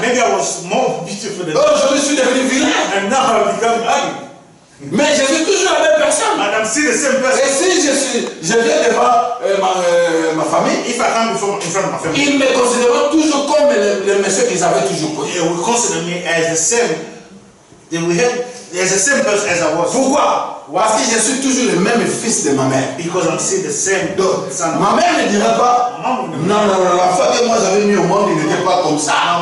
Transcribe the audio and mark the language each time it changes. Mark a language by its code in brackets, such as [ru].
[en] Maybe I was more beautiful than that. [fr] Aujourd'hui, je suis devenu vilain. [en] And now I've become ugly. [fr] Mais je suis toujours la même personne. [en] And I'm still the same person. [fr] Et si je viens devant ma famille, [en] if I come in front of my family, [fr] ils me considèrent toujours comme le monsieur qu'ils avaient toujours connu. [en] They will consider me as the same. They will have as the same person as I was. [fr] Pourquoi? Parce que je suis toujours le même fils de ma mère. [en] Because I'm still the same. [fr] Donc, [en] son. [fr] Ma mère ne dirait pas. Non, la femme que moi j'avais mis au monde, il n'était pas comme ça.